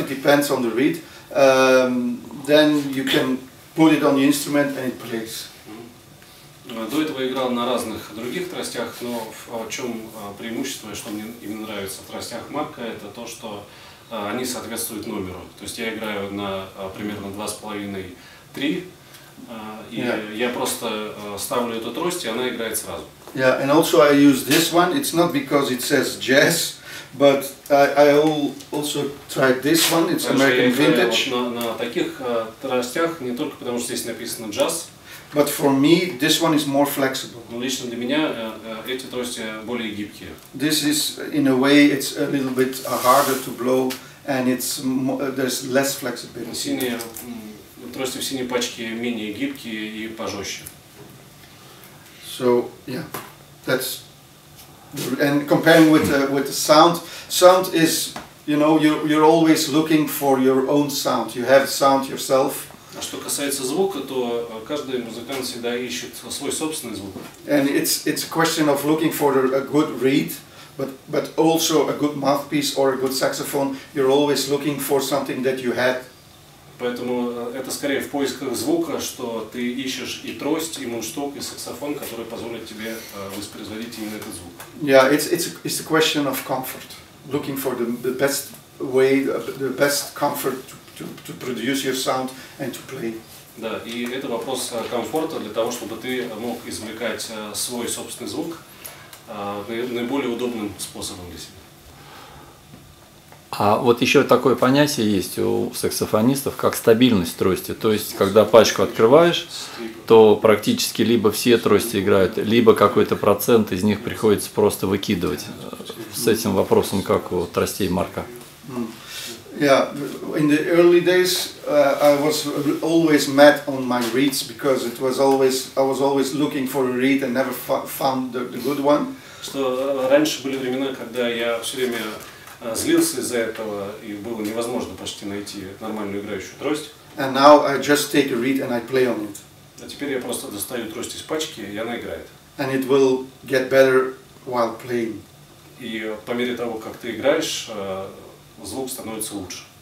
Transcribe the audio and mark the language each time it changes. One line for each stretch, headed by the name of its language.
English: It depends on the reed. Then you can put it on the instrument and it plays.
Russian: До этого играл на разных других тростях, но в чем преимущество и что мне именно нравится в тростях Марка, это то, что они соответствуют номеру. То есть я играю на примерно 2.5-3, и я просто ставлю эту трость, и она играет сразу.
English: Yeah, and also I use this one. It's not because it says jazz, but I also tried this one. It's American vintage.
Russian: Также я играю вот на таких тростях не только потому, что здесь написано джаз.
English: But for me, this one is more flexible.
Russian: Но лично для меня эти трости более гибкие.
English: This is, in a way, it's a little bit harder to blow, and it's there's less flexibility.
Russian: Синие трости в синей пачке менее гибкие и пожестче.
English: So yeah, that's and comparing with the sound. Sound is, you know, you're always looking for your own sound. You have sound yourself.
Russian: А что касается звука, то каждый музыкант всегда ищет свой собственный звук.
English: And it's a question of looking for a good reed, but also a good mouthpiece or a good saxophone. You're always looking for something that you had.
Russian: Поэтому это скорее в поисках звука, что ты ищешь и трость, и мундштук, и саксофон, который позволит тебе воспроизводить именно этот звук.
English: Yeah, it's a question of comfort. Looking for the best way, the best comfort to produce your sound and to play.
Russian: Да, и это вопрос комфорта для того, чтобы ты мог извлекать свой собственный звук наиболее удобным способом для себя. А вот еще такое понятие есть у саксофонистов, как стабильность трости. То есть, когда пачку открываешь, то практически либо все трости играют, либо какой-то процент из них приходится просто выкидывать. С этим вопросом, как у тростей Марка?
English: Yeah, in the early days I was always mad on my reeds because it was always I was always looking for a reed and never found the good one.
Russian: Что раньше были времена, когда я все время злился из-за этого и было невозможно почти найти нормальную играющую трость.
English: And now I just take a reed and I play on it.
Russian: А теперь я просто достаю трость из пачки и она играет.
English: And it will get better while playing.
Russian: И по мере того, как ты играешь, звук становится лучше.